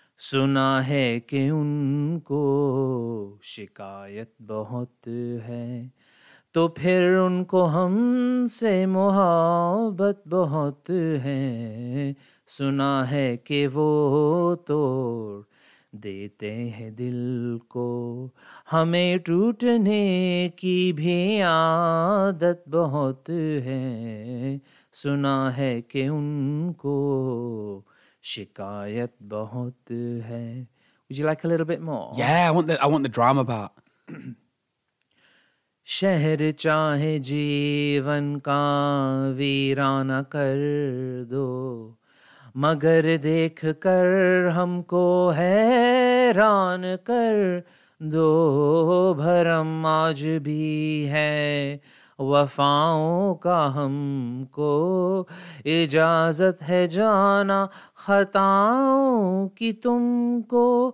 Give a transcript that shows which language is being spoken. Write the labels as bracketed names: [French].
[Hindi] सुना है कि उनको शिकायत बहुत है तो फिर उनको हमसे मोहब्बत बहुत है सुना है कि वो तोड़ देते हैं दिल को हमें टूटने की भी आदत बहुत है सुना है कि उनको शिकायत बहुत है. [English] Would you like a little bit more? Yeah, I want the drama part. [Hindi] शहर चाहे जीवन का वीराना कर दो मगर देख कर हमको हैरान कर दो भरम आज भी है वफाओं का हमको इजाजत है जाना खताओं की तुमको